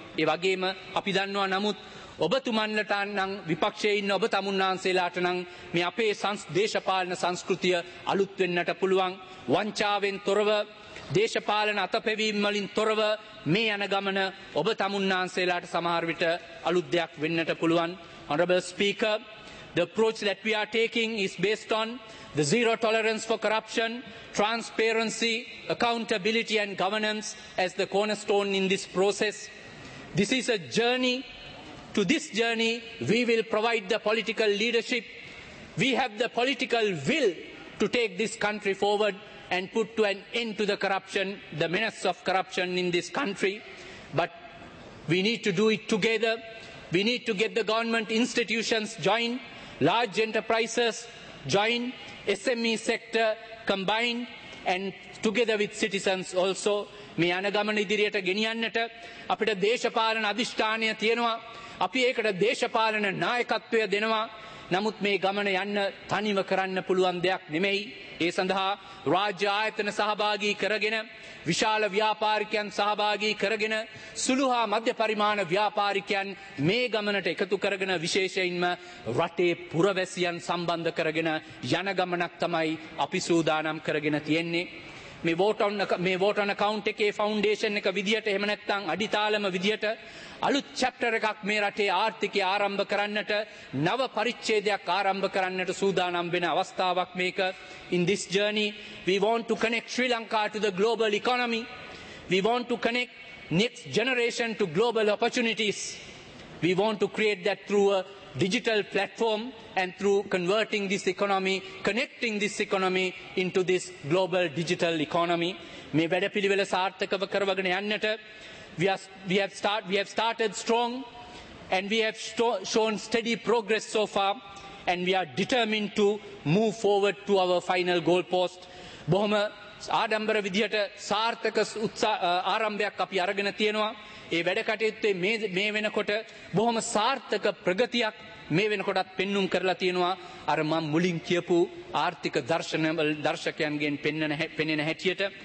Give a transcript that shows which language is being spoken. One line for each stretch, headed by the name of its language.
Sinhala: ඒ වගේම අපි දන්නවා නමුත් ඔබතුමන්ලට නම් විපක්ෂයේ ඉන්න ඔබ තමුන්නාන්සේලාට නම් මේ අපේ දේශපාලන සංස්කෘතිය අලුත් වෙන්නට පුළුවන්. වංචාවෙන් තොරව, දේශපාලන අතපෙවීම් වලින් තොරව මේ යන ගමන ඔබ තමුන්නාන්සේලාට සමහර විට අලුත් දෙයක් වෙන්නට පුළුවන්.
English: Honorable Speaker, the approach that we are taking is based on the zero tolerance for corruption, transparency, accountability and governance as the cornerstone in this process. This is a journey. To this journey, we will provide the political leadership. We have the political will to take this country forward and put to an end to the corruption, the menace of corruption in this country. But we need to do it together. We need to get the government institutions join, large enterprises join, SME sector combined, and together with citizens also.
Sinhala: මේ අනගමන ඉදිරියට ගෙනියන්නට අපිට දේශපාලන අධිෂ්ඨානය තියෙනවා. අපි ඒකට දේශපාලන නායකත්වය දෙනවා. නමුත් මේ ගමන යන්න තනිව කරන්න පුළුවන් දෙයක් නෙමෙයි. ඒ සඳහා රාජ්‍ය ආයතන සහභාගී කරගෙන, විශාල ව්‍යාපාරිකයන් සහභාගී කරගෙන, සුළු හා මධ්‍ය පරිමාණ ව්‍යාපාරිකයන් මේ ගමනට එකතු කරගෙන, විශේෂයෙන්ම රටේ පුරවැසියන් සම්බන්ධ කරගෙන යන ගමනක් තමයි අපි සූදානම් කරගෙන තියෙන්නේ. මේ වෝට් ඔන් account එකේ ෆවුන්ඩේෂන් එක විදියට, එහෙම නැත්නම් අඩිතාලම විදියට අලුත් චැප්ටර් එකක් මේ රටේ ආර්ථිකය ආරම්භ කරන්නට, නව පරිච්ඡේදයක් ආරම්භ කරන්නට සූදානම් වෙන අවස්ථාවක් මේක.
English: In this journey, we want to connect Sri Lanka to the global economy. We want to connect next generation to global opportunities. We want to create that through a digital platform and through converting this economy, connecting this economy into this global digital economy.
Sinhala: මේ වැඩපිළිවෙල සාර්ථකව කරවගෙන යන්නට
English: we have started strong and we have shown steady progress so far and we are determined to move forward to our final goal post.
Sinhala: බොහොම ආඩම්බර විදියට සාර්ථක ආරම්භයක් අපි අරගෙන තියෙනවා. ඒ වැඩ කටයුත්තේ මේ වෙනකොට බොහොම සාර්ථක ප්‍රගතියක් මේ වෙනකොටත් පෙන්නුම් කරලා තියෙනවා. අර මම මුලින් කියපු ආර්ථික දර්ශකයන්ගෙන් පෙනෙන හැටියට.